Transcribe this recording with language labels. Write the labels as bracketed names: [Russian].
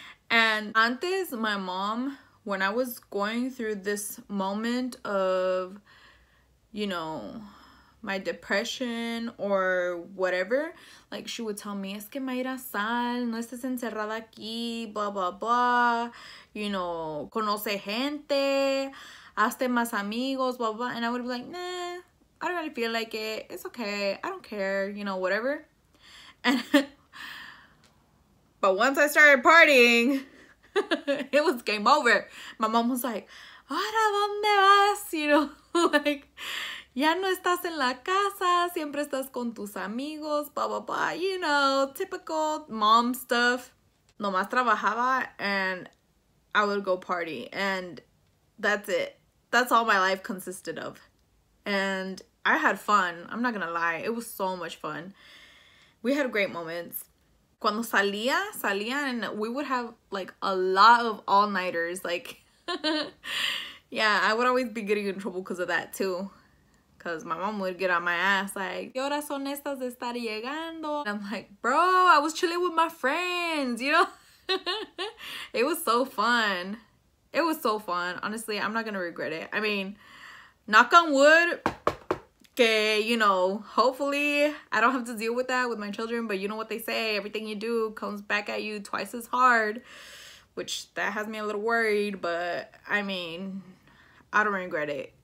[English] And [Spanish] antes, [English] my mom, when I was going through this moment of, you know, my depression or whatever, like, she would tell me, [Spanish] es que Maira sal, no estés encerrada aquí, [English] blah, blah, blah, you know, [Spanish] conoce gente, hazte más amigos, [English] blah, blah. And I would be like, nah, I don't really feel like it. It's okay. I don't care, you know, whatever. But once I started partying, it was game over. My mom was like, [Spanish] ¿ahora dónde vas? [English] You know, like, [Spanish] ya no estás en la casa, siempre estás con tus amigos, blah, blah, blah. [English] You know, typical mom stuff. [Spanish] Nomás trabajaba [English] and I would go party. And that's it. That's all my life consisted of. And I had fun. I'm not gonna lie. It was so much fun. We had great moments. [Spanish] Cuando salía, salía, [English] and we would have like a lot of all-nighters. Like, yeah, I would always be getting in trouble because of that too. Because my mom would get on my ass like, [Spanish] ¿qué horas son estas de estar llegando? [English] And I'm like, bro, I was chilling with my friends, you know? It was so fun. It was so fun. Honestly, I'm not going to regret it. I mean, knock on wood. Okay, you know, hopefully I don't have to deal with that with my children, but you know what they say, everything you do comes back at you twice as hard, which that has me a little worried, but I mean, I don't regret it.